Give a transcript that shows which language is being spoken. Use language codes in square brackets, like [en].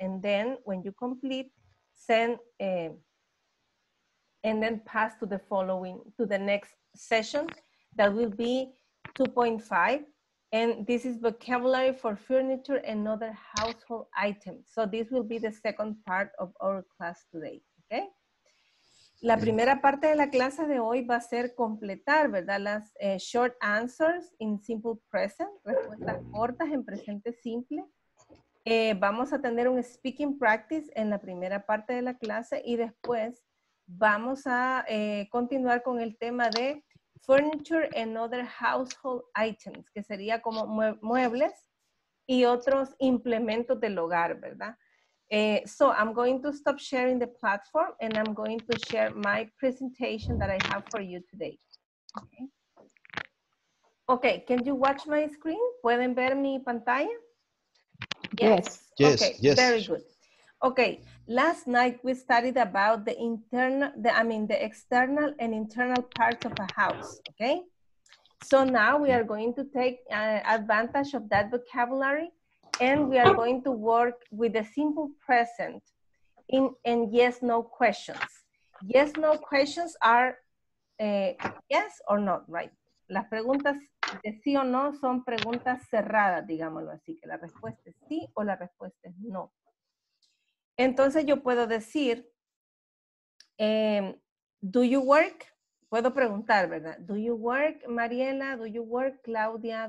[en] And then when you complete, send and then pass to the following, to the next session. That will be 2.5. And this is vocabulary for furniture and other household items. So this will be the second part of our class today, okay? [es] La primera parte de la clase de hoy va a ser completar, ¿verdad? Las [en] short answers in simple present, [es] respuestas cortas en presente simple. Vamos a tener un [en] speaking practice [es] en la primera parte de la clase y después vamos a continuar con el tema de [en] furniture and other household items, [es] que sería como muebles y otros implementos del hogar, ¿verdad? [en] So I'm going to stop sharing the platform and I'm going to share my presentation that I have for you today. Okay, can you watch my screen? [es] ¿Pueden ver mi pantalla? [en] Yes. Yes. Okay, yes. Very good. Okay, last night we studied about the external and internal parts of a house, okay? So now we are going to take advantage of that vocabulary and we are going to work with a simple present in yes, no questions. Yes, no questions are yes or not, right? [es] Las preguntas de sí o no son preguntas cerradas, digámoslo así, que la respuesta es sí o la respuesta es no. Entonces yo puedo decir, [en] do you work? [es] Puedo preguntar, ¿verdad? [en] Do you work, Mariela? Do you work, Claudia?